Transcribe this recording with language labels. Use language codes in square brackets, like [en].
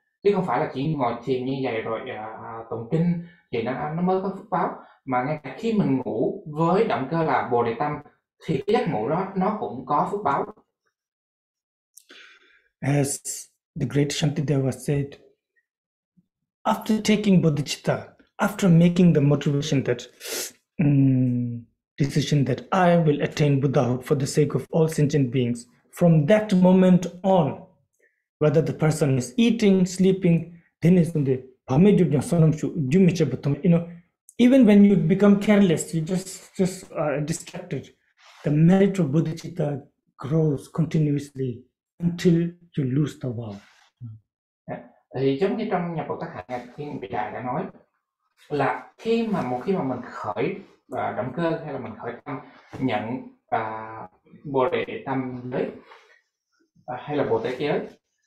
[vi] Chứ không phải là chỉ ngồi thiền như vậy rồi tụng kinh thì nó mới có phước báo. Mà ngay cả khi mình ngủ với động cơ là bồ đề tâm, thì cái giấc ngủ đó nó cũng có phước báo. [en] As the great Shantideva said, after taking bodhicitta, after making the motivation that decision that I will attain Buddhahood for the sake of all sentient beings, from that moment on, whether the person is eating, sleeping, you know, even when you become careless, you just are distracted, the merit of bodhicitta grows continuously until you lose the vow. [vi] Thì giống như trong nhập bộ tác hạnh khi vị đại đã nói là khi mà một khi mà mình khởi động cơ hay là mình khởi tâm nhận bồ đề tâm giới hay là bồ đề giới